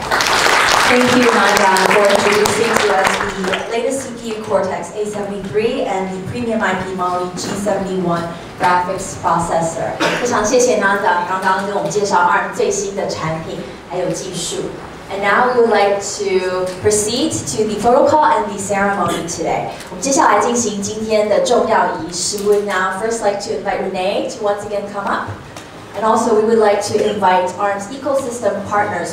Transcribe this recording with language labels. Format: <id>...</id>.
<en>Thank you, Nanda, for introducing to us the latest CPU Cortex-A73 and the premium IP Mali-G71 graphics processor.</en> <zh>非常谢谢 Nanda 刚刚给我们介绍 ARM 最新的产品还有技术.</zh> <en>And now we would like to proceed to the photo call and the ceremony today.</en> <zh>我们接下来进行今天的重要仪式.</zh> <en>We would now first like to invite Renee to once again come up. And also, we would like to invite ARM's ecosystem partners.</en>